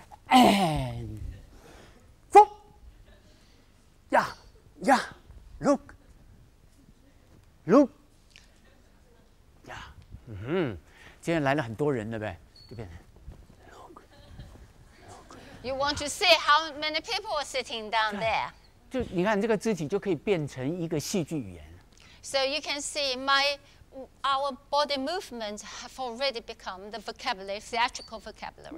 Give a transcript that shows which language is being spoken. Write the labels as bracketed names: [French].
[English] And. Four. Yeah. Yeah. Look. Look. [Chinese] Yeah. 今天来了很多人的呗，就变成 [English] Look. Look. You want to see how many people are sitting down there? [Chinese] 就你看这个肢体就可以变成一个戏剧语言。 [English] So you can see our body movements have already become the vocabulary, theatrical vocabulary.